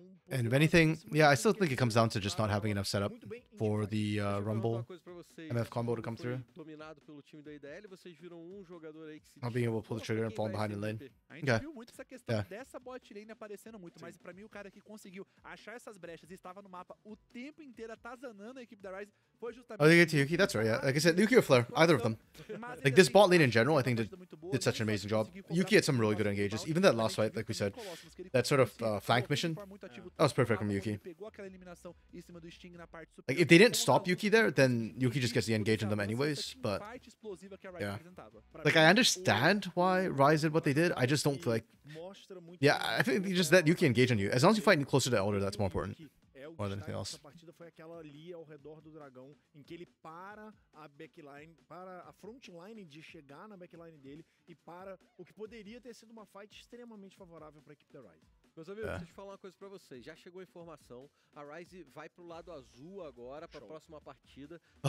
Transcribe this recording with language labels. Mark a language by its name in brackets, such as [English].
[English] And if anything, yeah, I still think it comes down to just not having enough setup for the Rumble MF combo to come through. Not being able to pull the trigger and fall behind in lane. Okay. Yeah. [Portuguese] Aparecendo muito, mas para mim o cara que conseguiu achar essas brechas e estava no mapa o tempo inteiro atazanando a equipe da Ryze foi justamente. [English] Oh, they get to Yuki. That's right. Yeah. Like I said, Yuki or Flare, either of them. Like this bot lane in general, I think did such an amazing job. Yuki had some really good engages. Even that last fight, like we said, that sort of flank mission, that was perfect from Yuki. Like if they didn't stop Yuki there, then Yuki just gets the engage on them anyways. But yeah, like I understand why Ryze did what they did. I just don't feel like, yeah, I think you just let Yuki engage on you. As long as you fight closer to Elder, that's more important. More than anything else. [Portuguese] Foi aquela ali ao redor do dragão em que ele para a backline, para a frontline de chegar na backline dele e para o que poderia ter sido uma fight extremamente favorável para a equipe da Ryze. Meus amigos, deixa eu falar uma coisa pra vocês. Já chegou a informação. A Ryze vai pro lado azul agora, pra próxima partida.